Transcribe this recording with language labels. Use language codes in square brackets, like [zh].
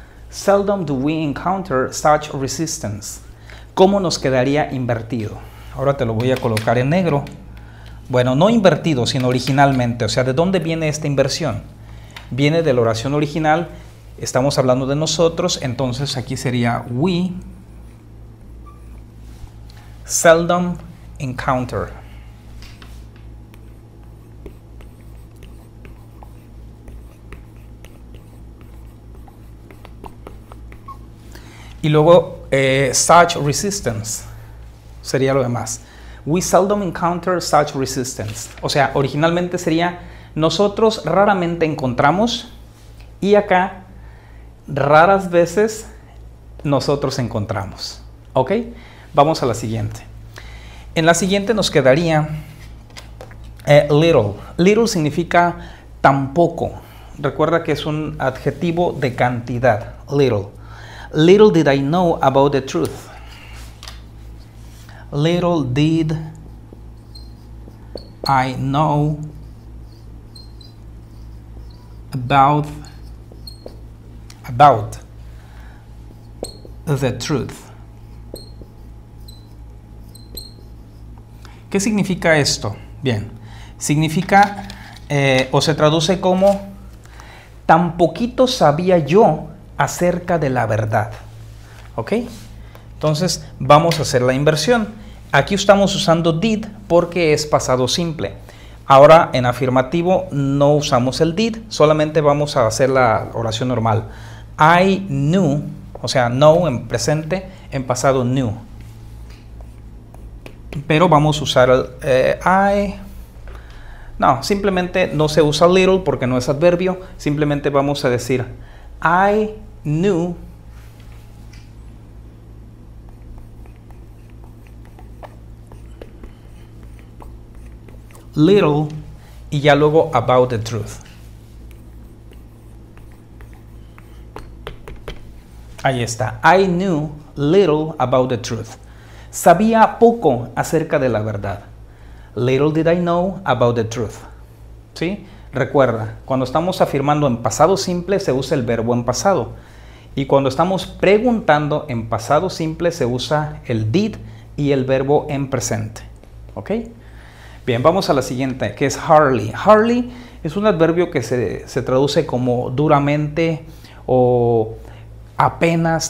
[en] Seldom do we encounter such resistance. [es] ¿Cómo nos quedaría invertido? Ahora te lo voy a colocar en negro. Bueno, no invertido, sino originalmente. O sea, ¿de dónde viene esta inversión? Viene de la oración original. Estamos hablando de nosotros. Entonces aquí sería [en] we seldom encounter. [es] Y luego, [en] such resistance [es] sería lo demás. [en] We seldom encounter such resistance. [es] O sea, originalmente sería nosotros raramente encontramos y acá raras veces nosotros encontramos. ¿Ok? Vamos a la siguiente. En la siguiente nos quedaría little. Little significa tan poco. Recuerda que es un adjetivo de cantidad, little. [en] Little did I know about the truth. Little did I know about the truth. [es] ¿Qué significa esto? Bien, significa o se traduce como tan poquito sabía yo acerca de la verdad. ¿Ok? Entonces vamos a hacer la inversión. Aquí estamos usando did porque es pasado simple. Ahora en afirmativo no usamos el did, solamente vamos a hacer la oración normal. [en] I knew, [es] o sea, know en presente, en pasado knew. pero vamos a usar el I. No, simplemente no se usa little porque no es adverbio. Simplemente vamos a decir [en] I knew little [es] y ya luego [en] about the truth. [es] Ahí está. [en] I knew little about the truth. [es] Sabía poco acerca de la verdad. [en] Little did I know about the truth. [es] ¿Sí? Recuerda, cuando estamos afirmando en pasado simple, se usa el verbo en pasado. Y cuando estamos preguntando en pasado simple, se usa el did y el verbo en presente. ¿Ok? Bien, vamos a la siguiente, que es hardly. Hardly es un adverbio que se traduce como duramente o apenas.